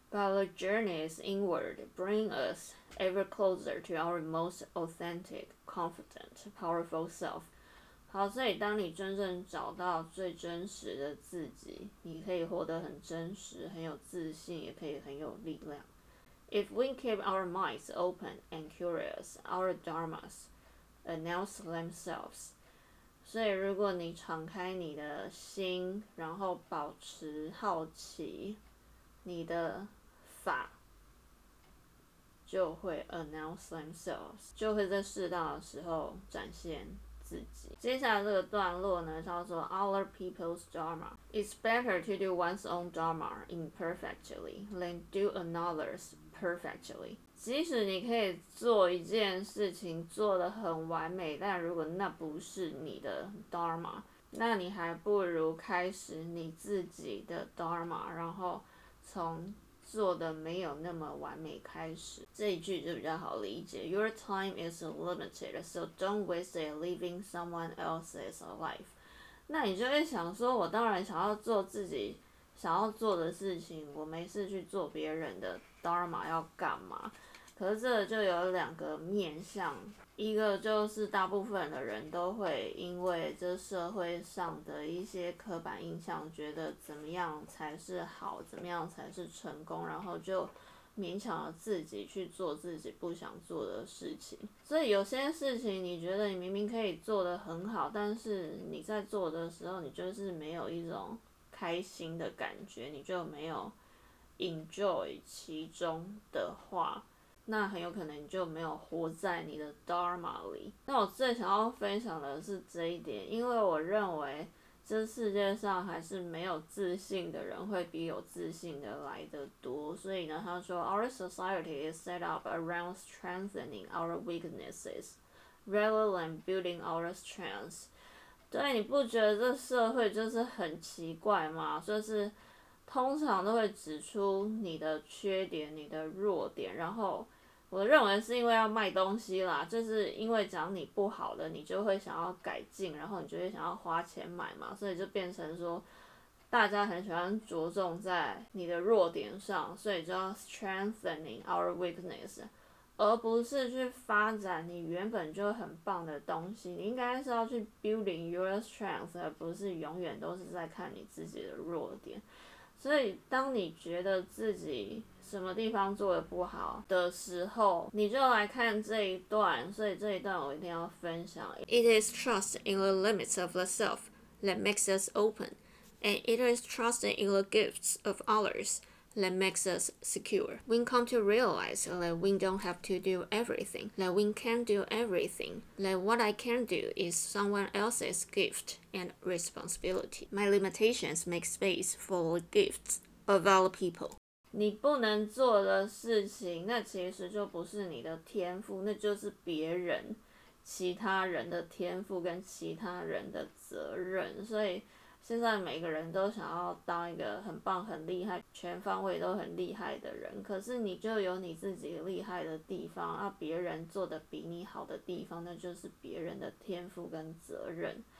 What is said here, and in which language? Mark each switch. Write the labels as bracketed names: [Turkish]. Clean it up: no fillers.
[English] But the journey is inward, bring us ever closer to our most authentic, confident, powerful self。 [Chinese] 好，所以当你真正找到最真实的自己，你可以活得很真实，很有自信，也可以很有力量。 [English] If we keep our minds open and curious, our dharmas announce themselves. [Chinese] 所以如果你敞开你的心，然后保持好奇，你的法就会 [English] announce themselves， [Chinese] 就会在适当的时候展现自己。接下来这个段落呢，叫做 [English] Other people's dharma. It's better to do one's own dharma imperfectly than do another's perfectly. [Chinese] 即使你可以做一件事情做得很完美，但如果那不是你的 dharma， 那你还不如开始你自己的 dharma， 然后从做的没有那么完美开始。这一句就比较好理解。 [English] Your time is limited, so don't waste it living someone else's life. [Chinese] 那你就会想说，我当然想要做自己想要做的事情，我没事去做别人的 Dharma 要干嘛？可是这就有两个面向，一个就是大部分的人都会因为这社会上的一些刻板印象，觉得怎么样才是好，怎么样才是成功，然后就勉强了自己去做自己不想做的事情。所以有些事情你觉得你明明可以做得很好，但是你在做的时候你就是没有一种开心的感觉，你就没有 enjoy 其中的话，那很有可能你就没有活在你的 Dharma 里。那我最想要分享的是这一点，因为我认为这世界上还是没有自信的人会比有自信的来得多。所以呢，他说 [English] Our society is set up around strengthening our weaknesses rather than building our strengths. [Chinese] 对，你不觉得这社会就是很奇怪吗？就是通常都会指出你的缺点，你的弱点，然后我认为是因为要卖东西啦，就是因为讲你不好的，你就会想要改进，然后你就会想要花钱买嘛，所以就变成说大家很喜欢着重在你的弱点上，所以叫 [English] strengthening our weakness， [Chinese] 而不是去发展你原本就很棒的东西。你应该是要去 [English] building your strength， [Chinese] 而不是永远都是在看你自己的弱点。所以当你觉得自己什么地方做得不好的时候，你就来看这一段。所以这一段我一定要分享。 [English] It is trust in the limits of the self that makes us open, and it is trust in the gifts of others that makes us secure. We come to realize that we don't have to do everything, that we can do everything, that what I can do is someone else's gift and responsibility. My limitations make space for the gifts of other people. [Chinese] 你不能做的事情，那其实就不是你的天赋，那就是别人，其他人的天赋跟其他人的责任。所以现在每个人都想要当一个很棒很厉害全方位都很厉害的人，可是你就有你自己厉害的地方，啊，别人做的比你好的地方，那就是别人的天赋跟责任。